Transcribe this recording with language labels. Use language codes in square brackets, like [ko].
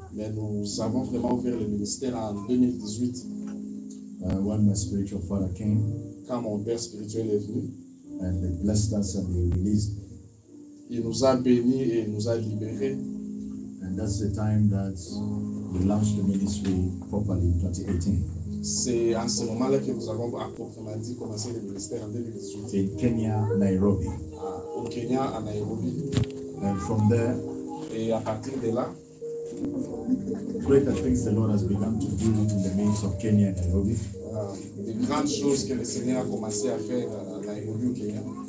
[fr] Mais nous avons vraiment ouvert le ministère en 2018. [en] When my spiritual father came. [fr] Quand mon père spirituel est venu, [en] and they blessed us and they released me. [fr] Il nous a bénis et nous a libérés. [en] And that's the time that we launched the ministry properly in 2018. [fr] C'est en ce moment-là que nous avons proprement dit commencer le ministère en 2018. [en] In Kenya, Nairobi. [fr] Au Kenya, à Nairobi. [en] And from there. [fr] Et à partir de là. [en] Greater things the Lord has begun to do in the midst of Kenya and Nairobi. [fr] Des grandes choses que le Seigneur a commencé à faire à Nairobi au Kenya.